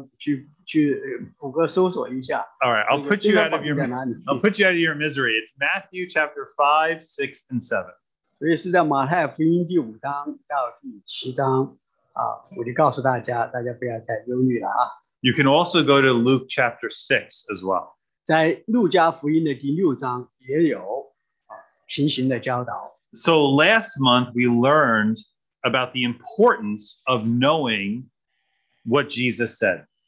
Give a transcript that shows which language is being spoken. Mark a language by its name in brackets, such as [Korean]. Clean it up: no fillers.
[Chinese] 如果我是你的话，我马上就会把我的手机拿出来，然后到去谷歌搜索一下。 [English] All right, I'll put you out of your misery. It's Matthew chapter 5, 6, and 7. [Chinese] 所以是在马太福音第五章到第七章，我就告诉大家，大家不要再忧虑了啊。 [English] You can also go to Luke chapter 6 as well. [Chinese] 在路加福音的第六章也有平行的教导。 [English] So last month we learned about the importance of knowing what Jesus said.